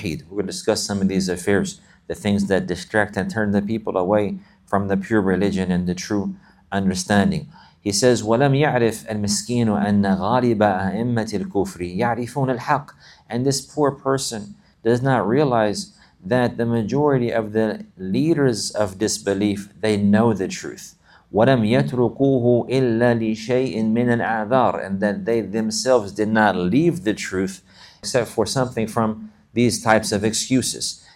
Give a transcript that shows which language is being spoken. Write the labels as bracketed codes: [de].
[en] We will discuss some of these affairs, the things that distract and turn the people away from the pure religion and the true understanding. He says, [ar] وَلَمْ يَعْرِفْ الْمِسْكِينُ أَنَّ غَالِبَ أَئِمَّةِ الْكُفْرِ يَعْرِفُونَ الْحَقِّ. [en] And this poor person does not realize that the majority of the leaders of disbelief, they know the truth. [ar] وَلَمْ يَتْرُكُوهُ إِلَّا لِشَيْءٍ مِنَ الْعَذَارِ. [en] And that they themselves did not leave the truth except for something from these types of excuses.